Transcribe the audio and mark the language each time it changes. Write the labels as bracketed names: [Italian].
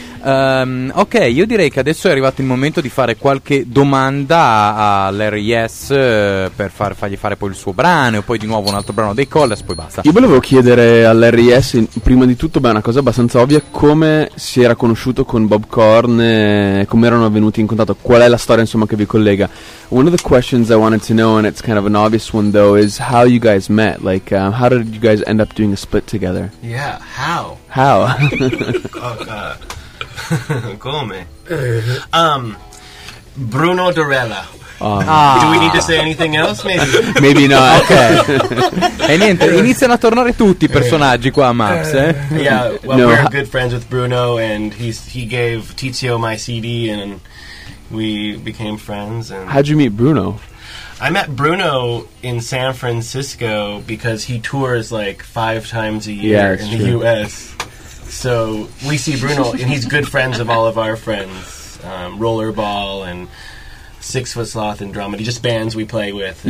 [Italian] Ok, io direi che adesso è arrivato il momento di fare qualche domanda a Larry Yes, per fargli fare poi il suo brano e poi di nuovo un altro brano dei Colors, poi basta. Io volevo chiedere a Larry Yes, prima di tutto, beh, una cosa abbastanza ovvia: come si era conosciuto con Bob Corn, come erano venuti in contatto, qual è la storia, insomma, che vi collega. [English] One of the questions I wanted to know, and it's kind of an obvious one though, is how you guys met. Like, how did you guys end up doing a split together? Yeah, how? How? Oh god. [Italian] Come? [English] Bruno Dorella. Do we need to say anything else? Maybe not. Okay. [Italian] E niente, iniziano a tornare tutti i personaggi qua a Maps, [English] Yeah, well, no, we're good friends with Bruno, and he gave Tizio my CD, and we became friends. And how'd you meet Bruno? I met Bruno in San Francisco because he tours like 5 times a year in the U.S., so we see Bruno, and he's good friends of all of our friends, Rollerball and 6 Foot Sloth and Dramedy, just bands we play with.